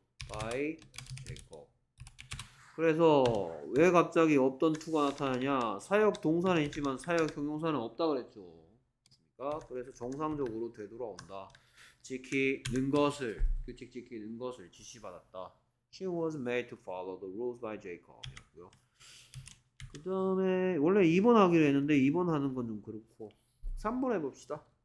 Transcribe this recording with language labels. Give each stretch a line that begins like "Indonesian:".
English: By Jacob.
Korean: 그래서 왜 갑자기 없던 투가 나타나냐? 사역 동사는 있지만 사역 형용사는 없다 그랬죠. 그래서 정상적으로 되돌아온다. 지키는 것을 규칙 지키는 것을 지시받았다.
English: She was made to follow the rules by Jacob이었고요.
Korean: 그 다음에 원래 2번 하기로 했는데 2번 하는 건좀 그렇고 3번 해봅시다.